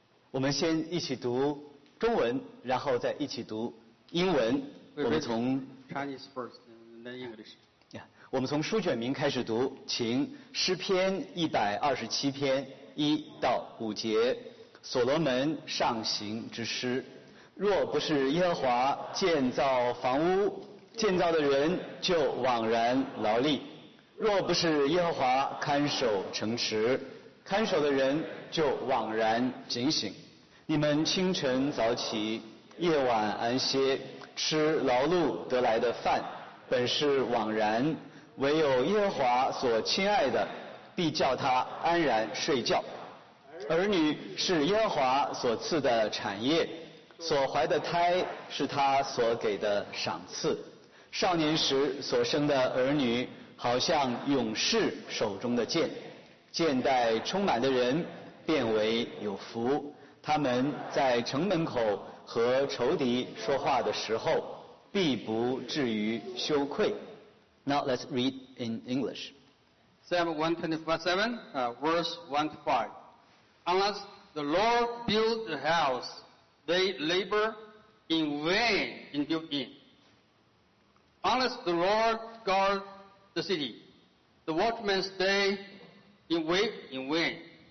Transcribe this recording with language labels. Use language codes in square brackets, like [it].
[zh] 我们先一起读中文，然后再一起读英文。我们从 [en] Chinese first, and then English. [zh] 我们从书卷名开始读，请诗篇127篇1-5节，所罗门上行之诗。若不是耶和华建造房屋，建造的人就枉然劳力；若不是耶和华看守城池，看守的人就枉然警醒。你们清晨早起，夜晚安歇，吃劳碌得来的饭，本是枉然，唯有耶和华所亲爱的，必叫他安然睡觉。儿女是耶和华所赐的产业，所怀的胎是他所给的赏赐。少年时所生的儿女，好像勇士手中的剑，剑带充满的人变为有福。他们在城门口和仇敌说话的时候，必不至于羞愧。 [en] Now let's read in English. Psalm 125:7, verse 1-5. Unless the Lord build the house, they labor in vain in building. Unless the Lord guard the city, the watchmen stay in wait in vain.